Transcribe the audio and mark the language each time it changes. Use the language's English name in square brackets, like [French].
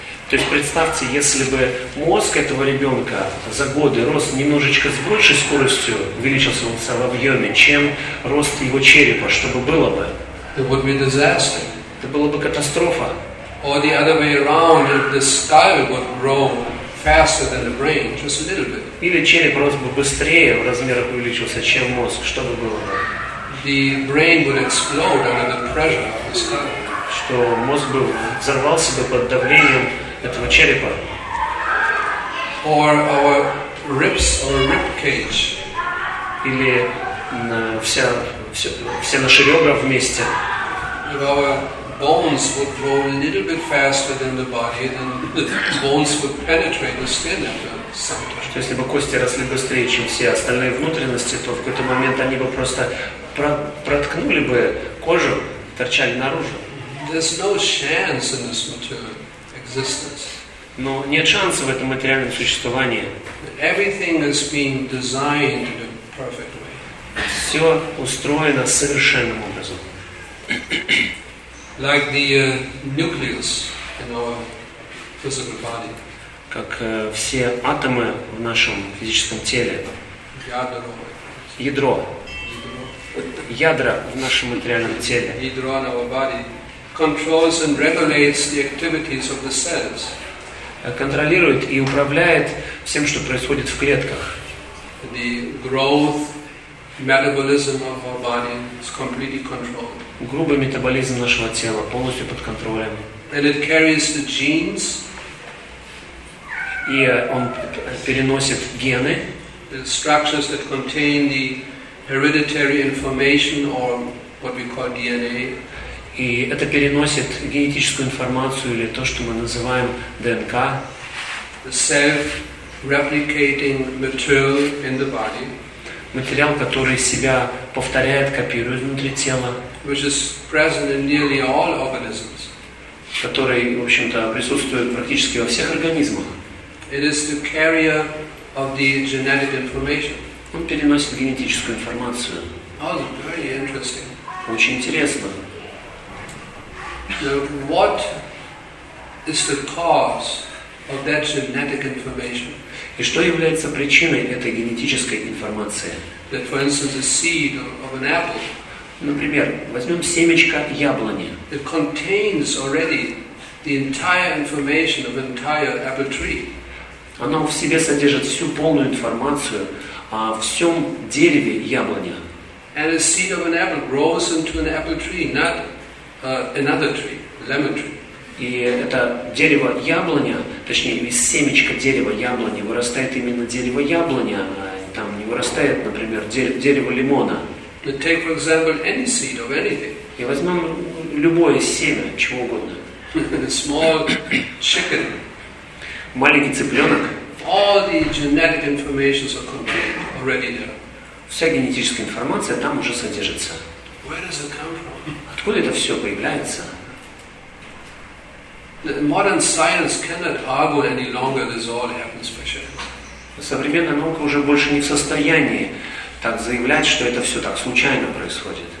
[Russian] То есть представьте, если бы мозг этого ребенка за годы рос немножечко с большей скоростью, увеличился он в объеме, чем рост его черепа, что бы было бы? [English] It would be disaster. [Russian] Это было бы катастрофа. [English] Or the other way around, if the skull would grow faster than the brain, just a little bit. [Russian] Или череп рос бы быстрее в размерах увеличился, чем мозг, что бы было бы? [English] The brain would explode under the pressure of the skull. [Russian] Что мозг бы взорвался бы под давлением этого черепа. [English] Or our ribs or rib cage. [Russian] Или все наши ребра вместе. [English] If our bones would grow a little bit faster than the body, then the bones would penetrate the skin after some time. [Russian] Что если бы кости росли быстрее, чем все остальные внутренности, то в какой-то момент они бы просто проткнули бы кожу, торчали наружу. [English] There's no chance in this material. [Russian] Но нет шанса в этом материальном существовании. [English] Everything is being designed in a perfect way. [Russian] Все устроено совершенным образом. [English] Like the nucleus in our physical body. [Russian] Как все атомы в нашем физическом теле. Ядро. Ядро. Ядра в нашем материальном теле. [English] Ядро in our body. Controls and regulates the activities of the cells. [Russian] Контролирует и управляет всем, что происходит в клетках. [English] The growth, metabolism of our body is completely controlled. [Russian] Грубый метаболизм нашего тела полностью под контролем. [English] And it carries the genes. [Russian] И он переносит гены. [English] The structures that contain the hereditary information, or what we call DNA. [Russian] И это переносит генетическую информацию или то, что мы называем ДНК. [English] self-replicating material in the body, [Russian] материал, который себя повторяет, копирует внутри тела, [English] which is present in nearly all organisms, [Russian] который, в общем-то, присутствует практически во всех организмах. [English] It is the carrier of the genetic information. [Russian] Он переносит генетическую информацию. [English] Oh, very interesting. [Russian] Очень интересно. [English] So what is the cause of that genetic information? [Russian] И что является причиной этой генетической информации? [English] That, for instance, a seed of an apple. [Russian] Например, возьмем семечко яблони. [English] It contains already the entire information of an entire apple tree. [Russian] Оно в себе содержит всю полную информацию о всем дереве яблони. [English] And a seed of an apple grows into an apple tree, not another tree, lemon tree. [Russian] И это дерево яблоня, точнее, из семечка дерева яблони вырастает именно дерево яблоня, а там не вырастает, например, дерево лимона. [English] Take, for example, any seed of anything. [Russian] И возьмем любое семя, чего угодно. [English] Small chicken. [Russian] Маленький цыпленок. [English] All the genetic information is contained already there. [Russian] Вся генетическая информация там уже содержится. [English] Where does it come from? [Russian] Откуда это все появляется? [English] Modern science cannot argue any longer this all happens by chance. [Russian] Современная наука уже больше не в состоянии так заявлять, что это все так случайно происходит.